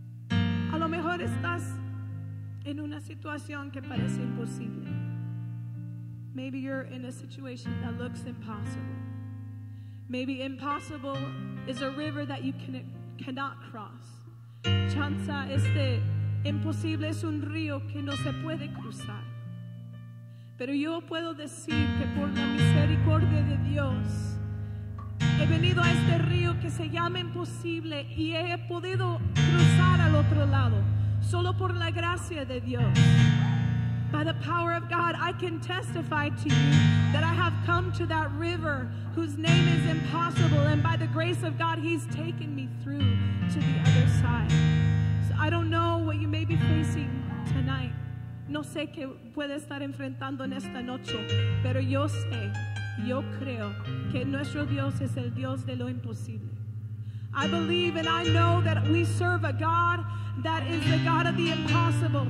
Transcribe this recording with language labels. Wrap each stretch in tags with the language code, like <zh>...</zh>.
<es>A lo mejor estás en una situación que parece imposible.</es> <en>Maybe you're in a situation that looks impossible. Maybe impossible is a river that you cannot cross.</en> <es>Chanza este imposible es un río que no se puede cruzar. Pero yo puedo decir que por la misericordia de Dios he venido a este río que se llama imposible y he podido cruzar al otro lado solo por la gracia de Dios.</es> <en>By the power of God, I can testify to you that I have come to that river whose name is impossible, and by the grace of God, He's taken me through to the other side. So I don't know what you may be facing tonight.</en> <es>No sé qué puede estar enfrentando en esta noche, pero yo sé, yo creo que nuestro Dios es el Dios de lo imposible.</es> <en>I believe and I know that we serve a God that is the God of the impossible.</en>